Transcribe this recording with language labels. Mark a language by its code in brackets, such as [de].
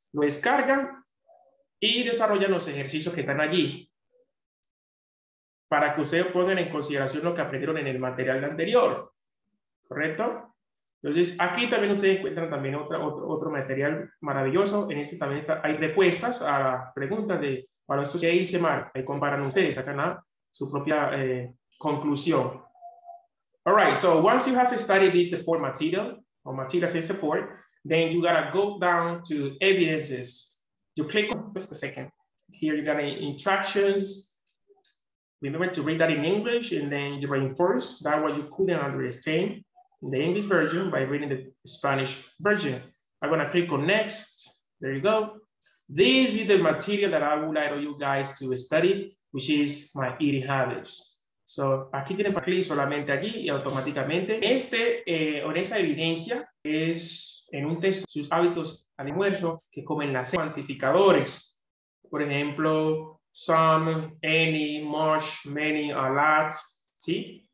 [es] Lo descargan y desarrollan los ejercicios que están allí para que ustedes pongan en consideración lo que aprendieron en el material anterior. ¿Correcto? Entonces, aquí también ustedes encuentran también otro material maravilloso. En este también hay respuestas a preguntas de para esto, ¿qué hice mal? Ahí comparan ustedes, sacan su propia conclusión. [en] All right, so once you have studied this support material, or materials in support, then you gotta go down to evidences. You click on, just a second. Here you got instructions. Remember to read that in English and then you reinforce that what you couldn't understand in the English version by reading the Spanish version. I'm gonna click on next. There you go. This is the material that I would like you guys to study, which is my eating habits. [es] So, aquí tienen para clic solamente aquí y automáticamente. Esta evidencia es en un texto sus hábitos al almuerzo que comen las cuantificadores. Por ejemplo, [en] some, any, much, many, a lot. [es] ¿Sí?